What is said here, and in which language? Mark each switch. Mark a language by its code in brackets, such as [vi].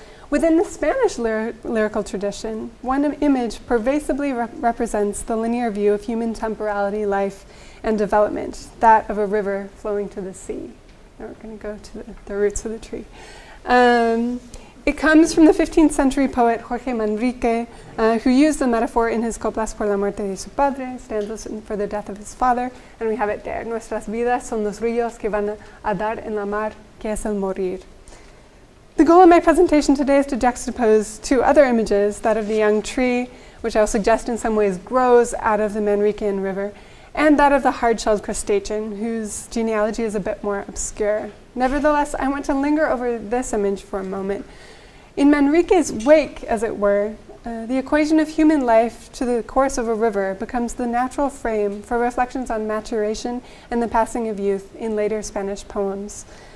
[en] Within the Spanish lyrical tradition, one image pervasively represents the linear view of human temporality, life, and development, that of a river flowing to the sea. Now we're going to go to the roots of the tree. It comes from the 15th century poet Jorge Manrique, who used the metaphor in his Coplas por la muerte de su padre, stanzas for the death of his father, and we have it there. [es] Nuestras vidas son los ríos que van a dar en la mar que es el morir. [en] The goal of my presentation today is to juxtapose two other images, that of the young tree, which I'll suggest in some ways grows out of the Manriquean river, and that of the hard-shelled crustacean, whose genealogy is a bit more obscure. Nevertheless, I want to linger over this image for a moment. In Manrique's wake, as it were, the equation of human life to the course of a river becomes the natural frame for reflections on maturation and the passing of youth in later Spanish poems.